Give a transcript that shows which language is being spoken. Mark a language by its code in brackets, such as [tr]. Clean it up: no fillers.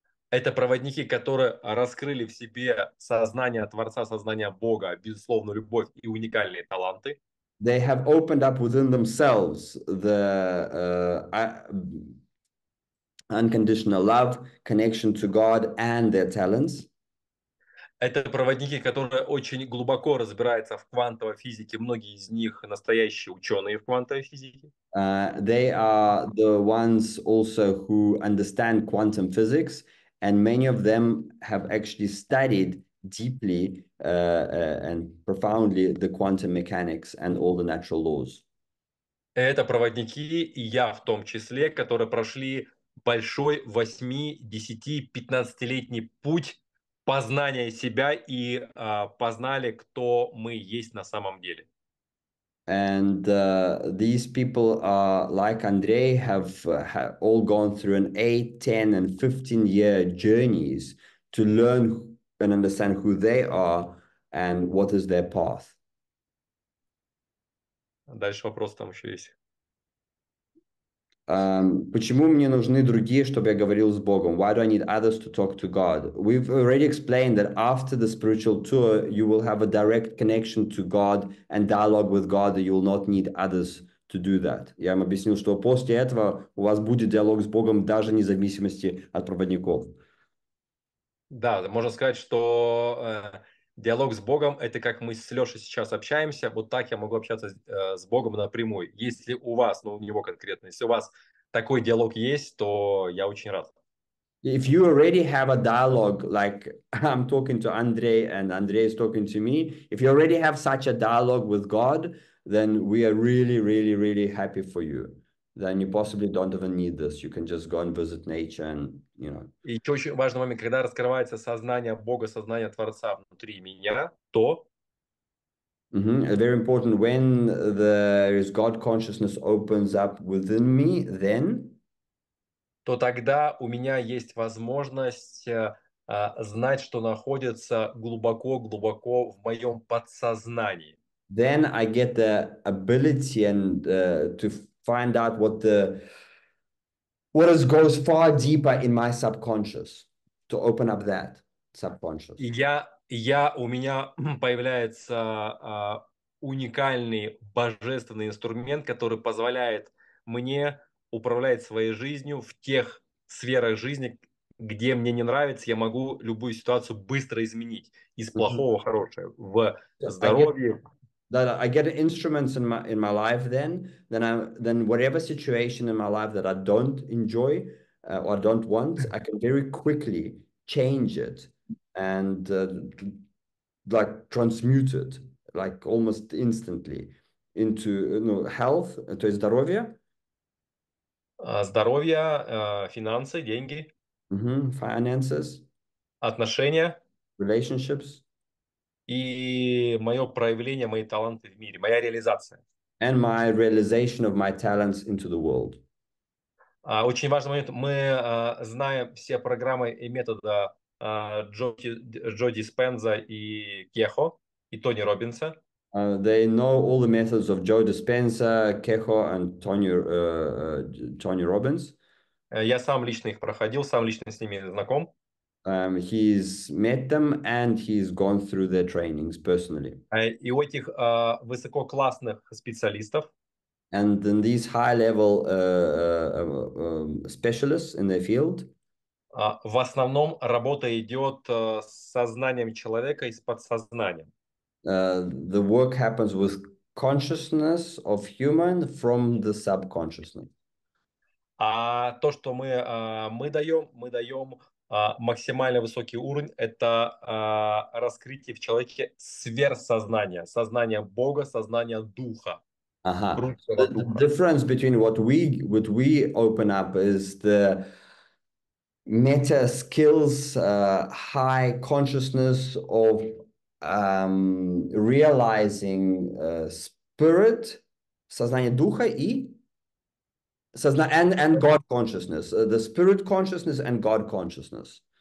[ru] Это проводники, которые раскрыли в себе сознание Творца, сознание Бога, безусловную любовь и уникальные таланты. [en] They have opened up within themselves the unconditional love, connection to God and their talents. [ru] Это проводники, которые очень глубоко разбираются в квантовой физике. Многие из них настоящие ученые в квантовой физике. [en] They are the ones also who understand quantum physics, and many of them have actually studied deeply and profoundly the quantum mechanics and all the natural laws. [ru] Это проводники, и я в том числе, которые прошли большой 8, 10, 15-летний путь познания себя и познали, кто мы есть на самом деле. [en] And these people are like Andrei have all gone through an 8, 10 and 15 year journeys to learn and understand who they are and what is their path. [ru] Дальше вопрос там еще есть. Почему мне нужны другие, чтобы я говорил с Богом? [en] Why do I need others to talk to God? We've already explained that after the spiritual tour, you will have a direct connection to God and dialogue with God, that you will not need others to do that. [ru] Я им объяснил, что после этого у вас будет диалог с Богом даже вне зависимости от проводников. Да, можно сказать, что диалог с Богом – это как мы с Лешей сейчас общаемся, вот так я могу общаться с Богом напрямую. Если у вас, ну, у него конкретно, если у вас такой диалог есть, то я очень рад. [en] If you already have a dialogue, like I'm talking to Andrei and Andrei is talking to me, if you already have such a dialogue with God, then we are really, really, really happy for you. Then you possibly don't even need this. You can just go and visit nature and, you know. [ru] И еще очень важный момент, когда раскрывается сознание Бога, сознание Творца внутри меня, то... [en] Very important. When there is God consciousness opens up within me, then... [ru] То тогда у меня есть возможность знать, что находится глубоко-глубоко в моем подсознании. [en] Then I get the ability and to find out what is goes far deeper in my subconscious, to open up that subconscious. [ru] У меня появляется уникальный божественный инструмент, который позволяет мне управлять своей жизнью в тех сферах жизни, где мне не нравится, я могу любую ситуацию быстро изменить из плохого в хорошее, в здоровье. [en] That I get instruments in my life then whatever situation in my life that I don't enjoy or don't want, I can very quickly change it and like transmute it like almost instantly into health, [ru] то есть здоровье. Здоровье, финансы, деньги. [en] Finances. [ru] Отношения. [en] Relationships. [ru] И мое проявление, мои таланты в мире, моя реализация. [en] And my realization of my talents into the world. [ru] Очень важный момент. Мы знаем все программы и методы Джо Диспенза и Кехо, и Тони Робинса. [en] They know all the methods of Joe Dispenza, Кехо and Tony Robbins. [ru] Я сам лично их проходил, сам лично с ними знаком. [en] He's met them and he's gone through their trainings personally. [ru] И у этих высококлассных специалистов. [en] And then these high-level specialists in their field. [ru] В основном работа идет с сознанием человека и с подсознанием. [en] The work happens with consciousness of human from the subconsciousness. [ru] А то, что мы даем максимально высокий уровень, это раскрытие в человеке сверхсознания, сознания Бога, сознания Духа. [en] The difference between what we open up is the meta skills, high consciousness of realizing spirit, [ru] сознание Духа и [en] and God consciousness, the spirit consciousness and God consciousness.